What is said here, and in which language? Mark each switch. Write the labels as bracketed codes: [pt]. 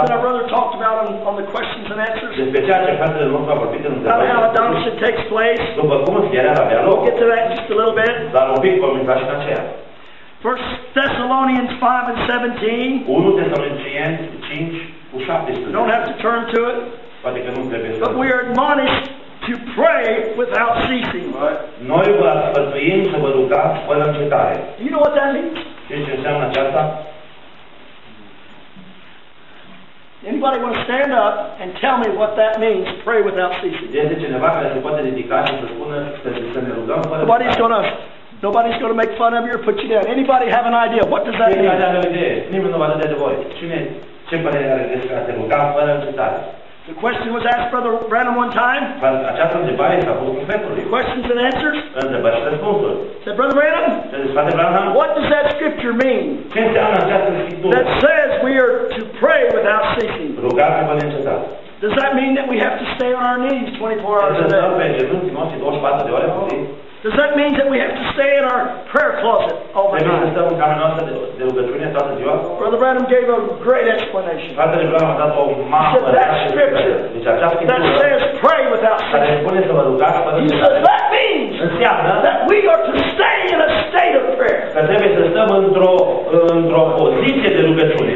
[en] That our brother talked about on the questions and answers. [ro] Despre ceea ce fratele nostru a vorbit în întrebările. [en] How adoption takes place. [ro] După cum fierea avea loc. [en] We'll get to that just a little bit. [ro] Dar un pic vom intra și în aceea. [en] 1 Thessalonians 5 and 17. [ro] 1 Thessalonicieni 5 cu 17. [en] Don't have to turn to it. [ro] Poate că nu trebuie să. [en] But we are admonished to pray without ceasing. [ro] Noi vă sfătuim să vă rugați fără încetare. [en] You know what that means? [ro] Știți ce înseamnă aceasta? [en] Anybody want to stand up and tell me what that means? Pray without ceasing. [ro] Este cineva care se poate ridica și să spună să ne rugăm fără încetare? [en] Nobody's going to. Nobody's going to make fun of you or put you down. Anybody have an idea? What does that mean? The question was asked Brother Branham one time. Questions and answers. Said Brother Branham, what does that scripture mean? That says we are to pray without ceasing. Does that mean that we have to stay on our knees 24 hours a day? Does that mean that we have to stay in our prayer closet all the time? Brother Branham gave a great explanation. said that scripture that says pray without ceasing. He said that means that we are to stay in a state of prayer. [ro] Că trebuie să stăm într-o poziție de rugăciune.